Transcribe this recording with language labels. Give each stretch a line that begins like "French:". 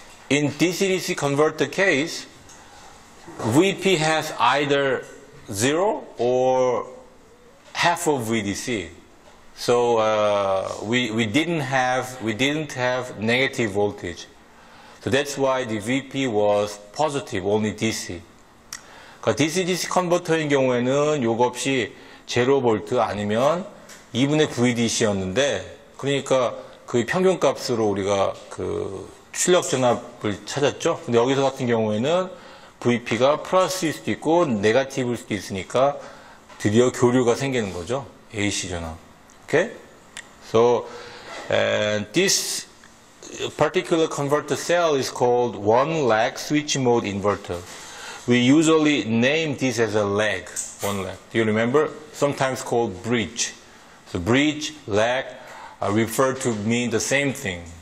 English: In DC-DC converter case, VP has either zero or half of VDC. So we didn't have negative voltage. So that's why the VP was positive, only DC.
Korean: 그 DC-DC 컨버터인 경우에는 요값이 0V 아니면 2분의 VDC였는데 그러니까 그 평균값으로 우리가 그 출력전압을 찾았죠. 근데 여기서 같은 경우에는 VP가 플러스일 수도 있고 네가티브일 수도 있으니까 드디어 교류가 생기는 거죠. AC전압. Okay?
English: So, and this particular converter cell is called one lag switch mode inverter. We usually name this as a lag, one lag. Do you remember? Sometimes called bridge. So bridge, lag, refer to mean the same thing.